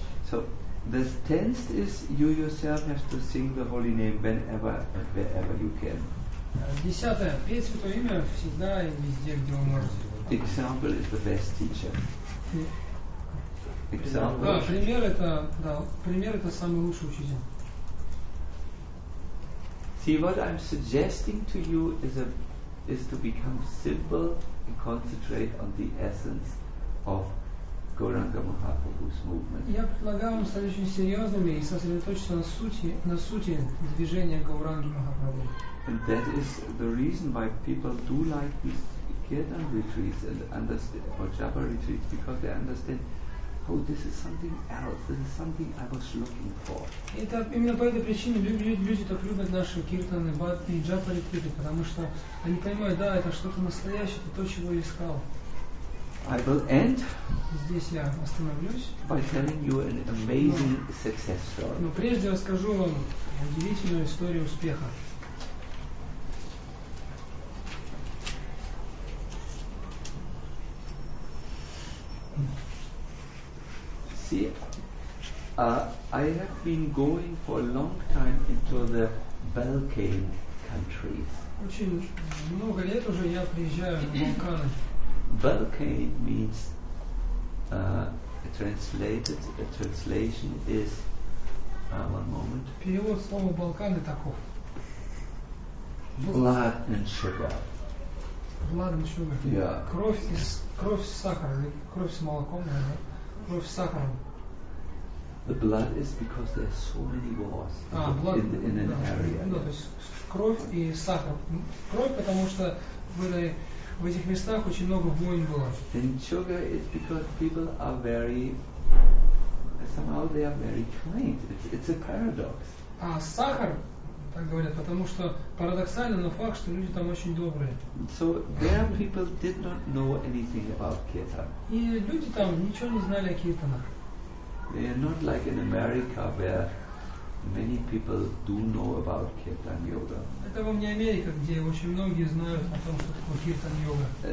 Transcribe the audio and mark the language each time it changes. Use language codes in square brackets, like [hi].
[en] So the tenth is you yourself have to sing the holy name whenever and wherever you can. [ru] Десятое. Петь Святое имя всегда и везде, где вы можете. [en] Example is the best teacher. Example. [ru] Да, пример это, да, пример это самый лучший учитель. [en] See, what I'm suggesting to you is a is to become simple and concentrate on the essence of Gauranga Mahaprabhu's movement. [ru] Я предлагаю вам стать очень серьезными и сосредоточиться на сути движения Гауранги Махапрабху. [en] And that is the reason why people do like these Kirtan retreats and or Japa retreats, because they understand, oh, this is something else, this is something I was looking for. [ru] Это именно по этой причине люди так любят наши киртаны, бхакти и джапа ретриты, потому что они понимают, да, это что-то настоящее, это то, чего я искал. [en] I will end [ru] здесь я остановлюсь [en] by telling you an amazing success story. [ru] Но прежде я расскажу вам удивительную историю успеха. [en] See, I have been going for a long time into the Balkan countries. [ru] Очень много лет уже я приезжаю в Балканы. [en] Balkan means translated. A translation is one moment. [ru] Перевод слова Балканы таков. [en] Blood and sugar. Blood and sugar. Yeah. [ru] Кровь с сахаром, кровь с молоком, наверное. Кровь с сахаром. [en] The blood is because there are so many wars in an area. [ru] Да, то есть кровь и сахар. Кровь, потому что в этих местах очень много войн было. [en] And sugar is because people are very, somehow they are very kind. It's a paradox. [ru] А сахар, так говорят, потому что парадоксально, но факт, что люди там очень добрые. [en] So there people did not know anything about Kirtan. [ru] И люди там ничего не знали о Киртанах. [en] They are not like in America where many people do know about Kirtan Yoga. [ru] Это вам не Америка, где очень многие знают о том, что такое Kirtan Yoga.